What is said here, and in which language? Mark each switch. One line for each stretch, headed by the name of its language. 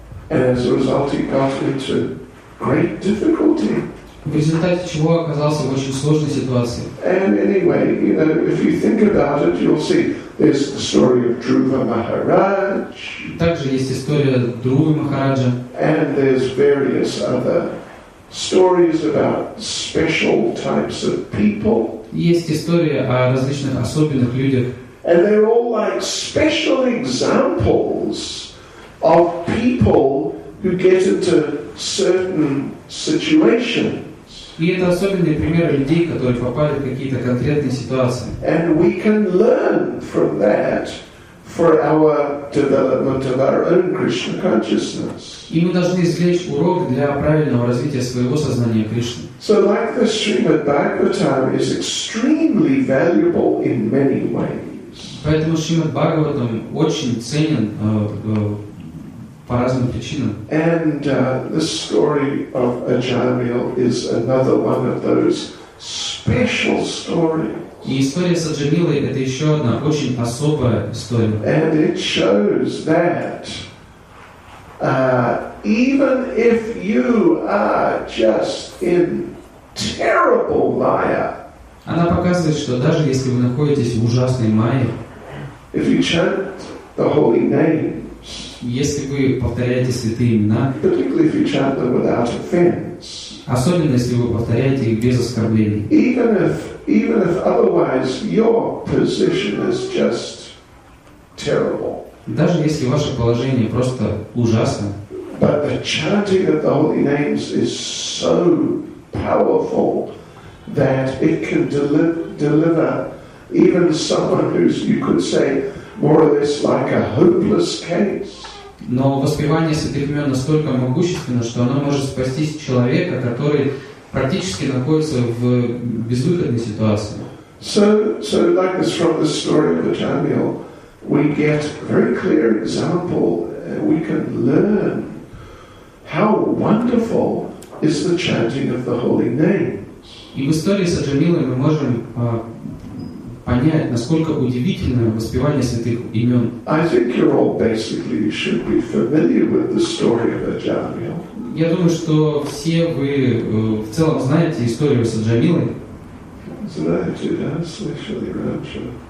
English: And as a result he got into great difficulty.
Russian: В результате чего оказался в очень сложной ситуации.
English: And anyway, you know, if you think about it, you'll see there's the story of Dhruva Maharaj.
Russian: Также есть история Друвы Махараджа.
English: And there's various other stories about special types of people.
Russian: Есть история о различных особенных людях.
English: And they're all like special examples of people who get into certain situations.
Russian: И это особенные примеры людей, которые попали в какие-то конкретные ситуации.
English: And we can learn from that for our development of our own Krishna consciousness.
Russian: И мы должны извлечь урок для правильного развития своего сознания Кришны.
English: So like the Srimad Bhagavatam is extremely valuable in many ways.
Russian: Поэтому Шримад Бхагаватам очень ценен по разным причинам.
English: And the story of Ajamil is another one of those special stories.
Russian: И история с Аджамилой это еще одна очень особая история.
English: And it shows that even if you are just in terrible maya,
Russian: она показывает, что даже если вы находитесь в ужасной майе,
English: if you chant the holy name,
Russian: если вы повторяете святые имена,
English: particularly if you chant them without offense,
Russian: особенно если вы повторяете их без оскорблений,
English: even if otherwise your position is just terrible,
Russian: даже если ваше положение просто ужасно,
English: but the chanting of the holy names is so powerful that it can deliver even someone who's, you could say, more or less like a hopeless case.
Russian: Но воспевание святых имен настолько могущественно, что оно может спасти человека, который практически находится в безвыходной ситуации.
English: So like this from the story of Ajamil, we get very clear example, we can learn how wonderful is the chanting of the holy names.
Russian: И в истории с Ажамилой мы можем понять, насколько удивительно воспевание святых имен.
English: I think you're all basically should be familiar with the story of Ajamil.
Russian: Я думаю, что все вы в целом знаете историю с Аджамилой. Знаете, да, слышали раньше.